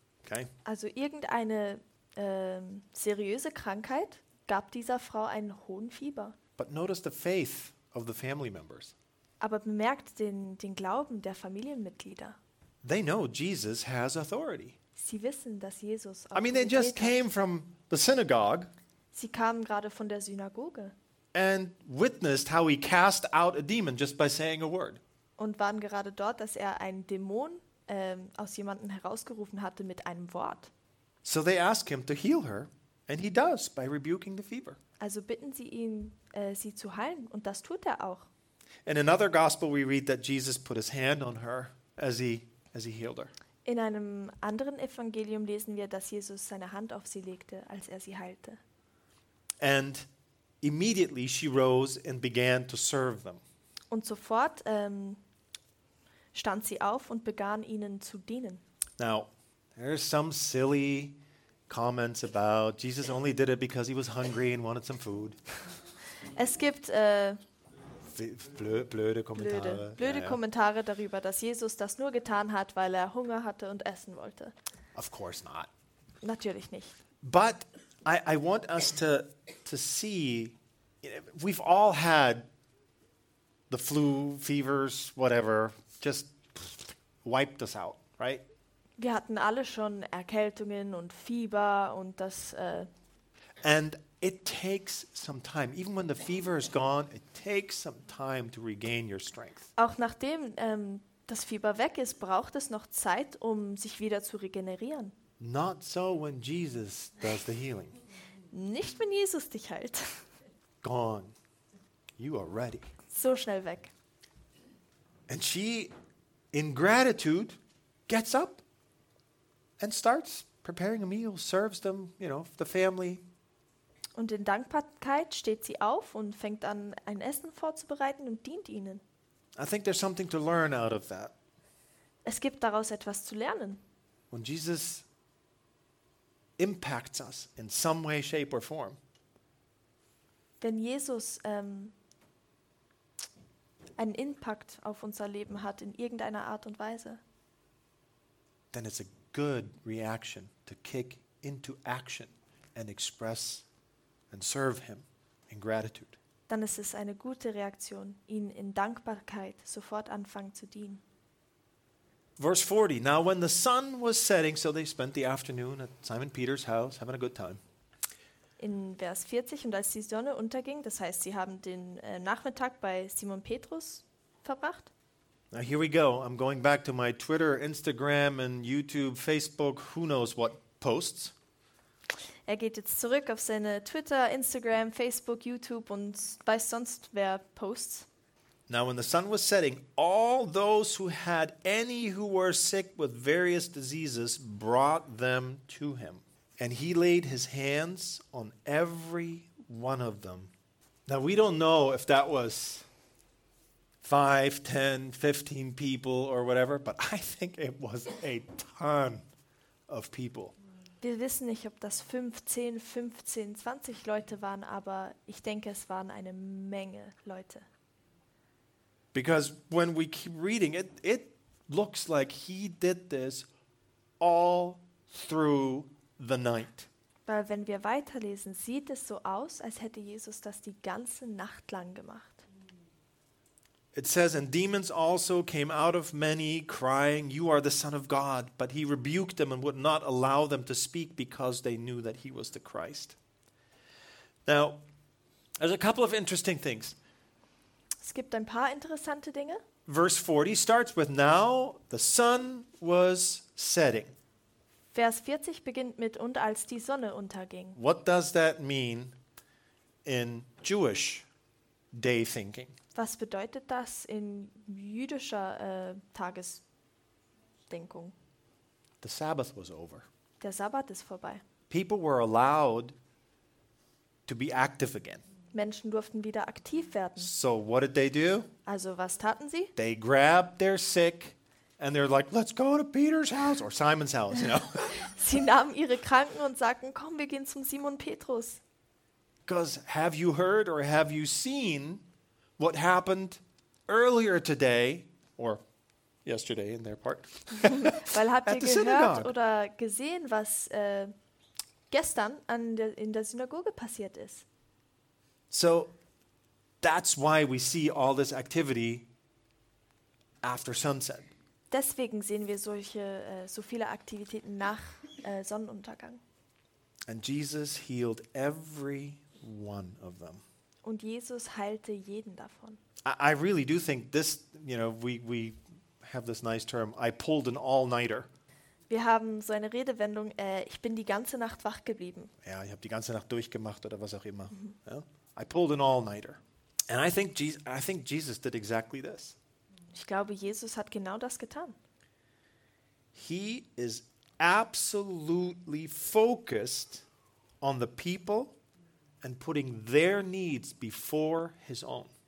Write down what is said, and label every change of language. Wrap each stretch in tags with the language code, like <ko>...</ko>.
<en>Okay?</en> <de>Also irgendeine seriöse Krankheit gab dieser Frau einen hohen Fieber.</de> <en>But notice the faith of the family members.</en> <de>Aber bemerkt den Glauben der Familienmitglieder.</de> <en>They know Jesus has authority.</en> <de>Sie wissen, dass Jesus Autorität hat.</de> <en>I mean, they just came from the synagogue.</en> <de>Sie kamen gerade von der Synagoge.</de> <en>And witnessed how he cast out a demon just by saying a word.</en> <de>Und waren gerade dort, dass er einen Dämon aus jemandem herausgerufen hatte mit einem Wort.</de> <en>So they ask him to heal her, and he does by rebuking the fever.</en> <de>Also bitten sie ihn, sie zu heilen, und das tut er auch.</de> <en>In another gospel we read that Jesus put his hand on her as he healed her.</en> <de>In einem anderen Evangelium lesen wir, dass Jesus seine Hand auf sie legte, als er sie heilte.</de> <en>And immediately she rose and began to serve them.</en> <de>Und sofort stand sie auf und begann ihnen zu dienen.</de> <en>Now, there are some silly comments about Jesus only did it because he was hungry and wanted some food.</en> <de>Es gibt blöde Kommentare darüber, dass Jesus das nur getan hat, weil er Hunger hatte und essen wollte.</de> <en>Of course not.</en> <de>Natürlich nicht.</de> <en>But I want us to see, you know, we've all had the flu, fevers, whatever, just wiped us out, right?</en> <de>Wir hatten alle schon Erkältungen und Fieber und das.</de> <en>And it takes some time. Even when the fever is gone, it takes some time to regain your strength.</en> <de>Auch nachdem das Fieber weg ist, braucht es noch Zeit, um sich wieder zu regenerieren.</de> <en>Not so when Jesus does the healing.</en> <de>Nicht wenn Jesus dich heilt.</de> <en>Gone. You are ready.</en> <de>So schnell weg.</de> <en>And she, in gratitude, gets up and starts preparing a meal, serves them, you know, the family.</en> <de>Und in Dankbarkeit steht sie auf und fängt an, ein Essen vorzubereiten und dient ihnen.</de> <en>I think there's something to learn out of that.</en> <de>Es gibt daraus etwas zu lernen.</de> <en>When Jesus impacts us in some way, shape or form.</en> <de>Wenn Jesus einen Impact auf unser Leben hat in irgendeiner Art und Weise.</de> <en>Then it's a good reaction to kick into action and express and serve him in gratitude.</en> <de>Dann ist es eine gute Reaktion, ihn in Dankbarkeit sofort anfangen zu dienen.</de> <en>Verse 40. Now when the sun was setting, so they spent the afternoon at Simon Peter's house having a good time.</en> <de>In Vers 40, und als die Sonne unterging, das heißt, sie haben den Nachmittag bei Simon Petrus verbracht.</de> <en>Now here we go. I'm going back to my Twitter, Instagram and YouTube, Facebook, who knows what posts.</en> <de>Er geht jetzt zurück auf seine Twitter, Instagram, Facebook, YouTube und weiß sonst wer Posts.</de> <en>Now when the sun was setting, all those who had any who were sick with various diseases brought them to him. And he laid his hands on every one of them. Now we don't know if that was 5, 10, 15 people or whatever, but I think it was a ton of people.</en> <de>Wir wissen nicht, ob das 15, 20 Leute waren, aber ich denke, es waren eine Menge Leute.</de> <en>Because when we keep reading, it looks like he did this all through the night.</en> <de>Weil wenn wir weiterlesen, sieht es so aus, als hätte Jesus das die ganze Nacht lang gemacht.</de> <en>It says, and demons also came out of many, crying, you are the Son of God. But he rebuked them and would not allow them to speak, because they knew that he was the Christ. Now, there's a couple of interesting things.</en> <de>Es gibt ein paar interessante Dinge.</de> <en>Verse 40 starts with, now the sun was setting.</en> <de>Vers 40 beginnt mit, und als die Sonne unterging.</de> <en>What does that mean in Jewish day thinking?</en> <de>Was bedeutet das in jüdischer Tagesdenkung?</de> <en>The Sabbath was over.</en> <de>Der Sabbat ist vorbei.</de> <en>People were allowed to be active again.</en> <de>Menschen durften wieder aktiv werden.</de> <en>So what did they do?</en> <de>Also was taten sie?</de> <en>They grabbed their sick and they're like, let's go to Peter's house or Simon's house, you know.</en> <de>Sie nahmen ihre Kranken und sagten, komm, wir gehen zum Simon Petrus.</de> <en>Because have you heard or have you seen what happened earlier today or yesterday in their part?</en> <de>Weil habt ihr gehört oder gesehen, was gestern in der Synagoge passiert ist?</de> <en>So that's why we see all this activity after sunset.</en> <de>Deswegen sehen wir so viele Aktivitäten nach Sonnenuntergang.</de> <en>And Jesus healed every one of them.</en> <de>Und Jesus heilte jeden davon.</de> <en>I really do think this, you know, we have this nice term, I pulled an all-nighter.</en> <de>Wir haben so eine Redewendung, ich bin die ganze Nacht wach geblieben. Ja, ich habe die ganze Nacht durchgemacht oder was auch immer.</de> <en>Mhm.</en> <de>Ja?</de> <en>I pulled an all-nighter. And I think Jesus did exactly this.</en> <de>Ich glaube, Jesus hat genau das getan.</de> <en>He is absolutely focused on the people and putting their needs before his own.</en>